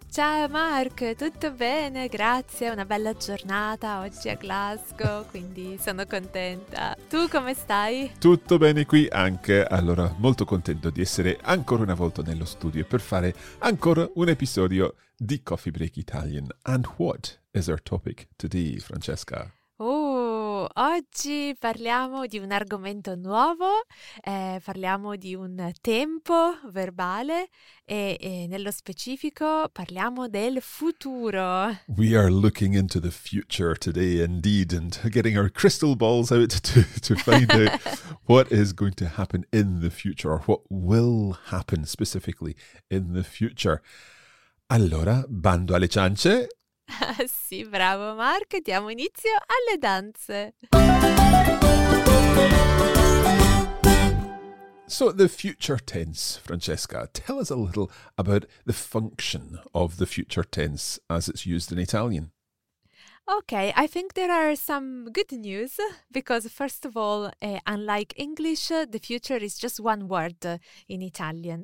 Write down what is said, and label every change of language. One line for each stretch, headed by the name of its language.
Italian: Ciao Mark, tutto bene, grazie. Una bella giornata oggi a Glasgow, quindi sono contenta. Tu come stai? Tutto bene qui anche. Allora, molto contento di essere ancora una volta nello studio per fare ancora un episodio di Coffee Break Italian.
English: And what is our topic today, Francesca?
Italian: Oggi parliamo di un argomento nuovo, parliamo di un tempo verbale e nello specifico parliamo del futuro.
English: We are looking into the future today indeed and getting our crystal balls out to find out what is going to happen in the future or what will happen specifically in the future.
Italian: Allora, bando alle ciance. Sì, bravo Mark, diamo inizio alle danze.
English: So the future tense, Francesca, tell us a little about the function of the future tense as it's used in Italian. Okay, I think there are some good news because first of all, unlike English, the future is just one word in Italian.